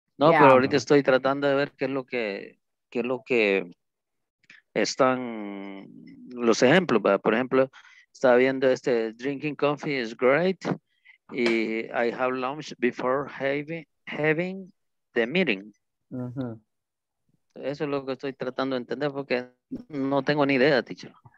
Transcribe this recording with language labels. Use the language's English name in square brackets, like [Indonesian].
[Spanish] No, yeah, pero ahorita estoy tratando de ver qué es lo que están los ejemplos. Por ejemplo, estaba viendo este, [English] drinking coffee is great. Y I have lunch before having the meeting. [Spanish] Eso es lo que estoy tratando de entender porque no tengo ni idea, teacher.